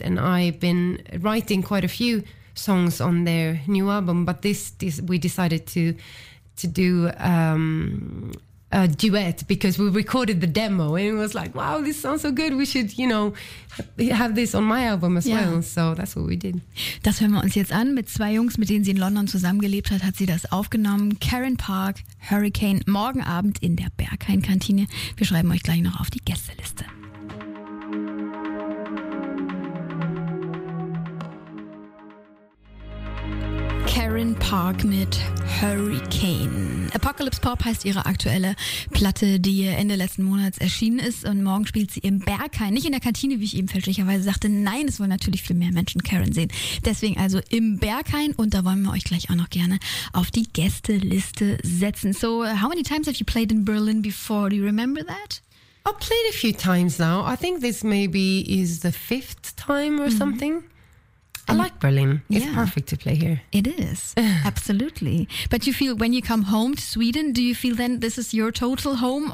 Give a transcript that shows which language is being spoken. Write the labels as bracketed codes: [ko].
[en] And I've been writing quite a few songs on their new album. But this we decided to do... a duet because we recorded the demo and it was like, wow, this sounds so good. We should, you know, have this on my album as yeah. well. So that's what we did. [de] Das hören wir uns jetzt an. Mit zwei Jungs, mit denen sie in London zusammengelebt hat, hat sie das aufgenommen. Karen Park, Hurricane, morgen Abend in der Berghain-Kantine. Wir schreiben euch gleich noch auf die Gästeliste. Karen Park mit Hurricane. Apocalypse Pop heißt ihre aktuelle Platte, die Ende letzten Monats erschienen ist. Und morgen spielt sie im Berghain. Nicht in der Kantine, wie ich eben fälschlicherweise sagte. Nein, es wollen natürlich viel mehr Menschen Karen sehen. Deswegen also im Berghain. Und da wollen wir euch gleich auch noch gerne auf die Gästeliste setzen. [en] So, how many times have you played in Berlin before? Do you remember that? I played a few times now. I think this maybe is the fifth time or mm-hmm. something. I like Berlin. It's yeah. perfect to play here. It is. Absolutely. But you feel when you come home to Sweden, do you feel then this is your total home?